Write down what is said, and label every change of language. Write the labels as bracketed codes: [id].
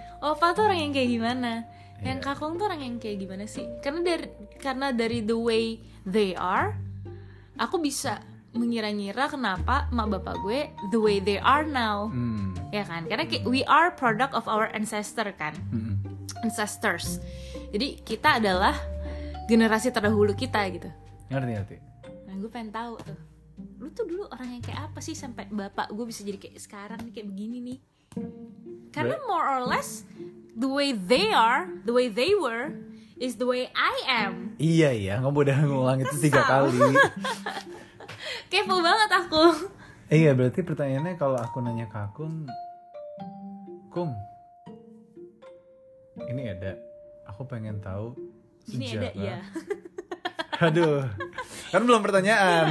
[id] Opa tuh orang yang kayak gimana? Yang kakung tuh orang yang kayak gimana sih? Karena dari [en] the way they are, [id] aku bisa mengira-ngira kenapa mak bapak gue [en] the way they are now. [id] Hmm. Ya kan? Karena [en] we are product of our ancestor [id] kan. [en] Hmm. Ancestors. [id] Jadi kita adalah generasi terdahulu kita gitu. Ngerti-ngerti. Nah, gue pengen tahu tuh. Lu tuh dulu orang yang kayak apa sih sampai bapak gue bisa jadi kayak sekarang nih, kayak begini nih? Karena [en] more or less the way they are, the way they were is the way I am. [id] Iya iya, kamu udah ngulang itu 3 kali. Kepo banget aku. Iya, berarti pertanyaannya kalau aku nanya ke Akung, Kung, ini ada, aku pengen tahu sejarah. Ini ada, iya. Aduh, kan belum pertanyaan.